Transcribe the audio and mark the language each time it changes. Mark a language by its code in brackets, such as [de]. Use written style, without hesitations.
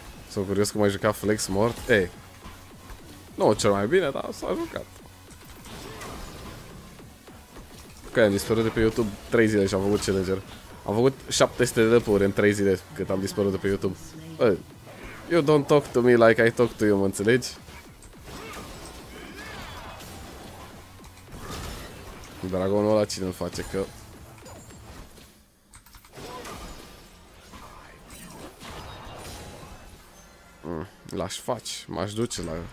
[ro] Sunt curios cum ai jucat Flex mort? Ei, nu cel mai bine, dar s-a jucat. Că am dispărut de pe YouTube 3 zile și am făcut challenger. Am făcut 700 de depuri în 3 zile cât am dispărut de pe YouTube. [en] Bă, you don't talk to me like I talk to you, [ro] mă înțelegi? Dragonul ăla cine-l face, că... L-aș face, m-aș duce la...